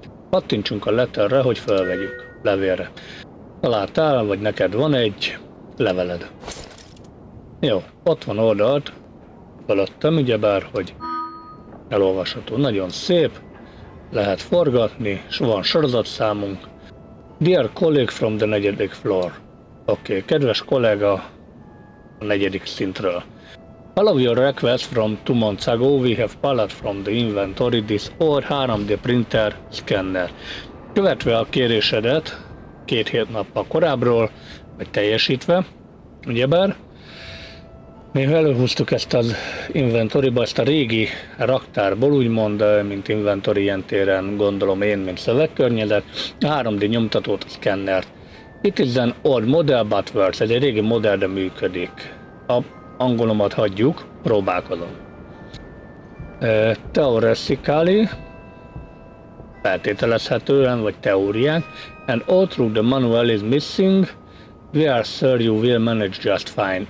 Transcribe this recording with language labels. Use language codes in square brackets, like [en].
[hu] Kattintsunk a letterre, hogy felvegyük, levélre. Találtál, vagy neked van egy leveled. Jó, ott van oldalt, fölöttem ugyebár, hogy elolvasható. Nagyon szép, lehet forgatni, és van sorozatszámunk. [en] Dear colleague from the 4th floor. [hu] Oké, okay, kedves kolléga, a negyedik szintről. [en] All of your requests from 2 months ago, we have pulled from the inventory this old 3D printer scanner. [hu] Követve a kérésedet, 2 hét nappal korábbról, vagy teljesítve, ugyebár, mi előhúztuk ezt az inventoryba, ezt a régi raktárból, úgymond, mint inventory ilyen téren, gondolom én, mint szövegkörnyezet, 3D nyomtatót, szkennert. [en] It is an old model, but works. [hu] Ez egy régi modell, de működik. A angolomat hagyjuk, próbálkozom. [en] Theoretically, [hu] feltételezhetően, vagy teórián, [en] and all through the manual is missing, we are sure you will manage just fine.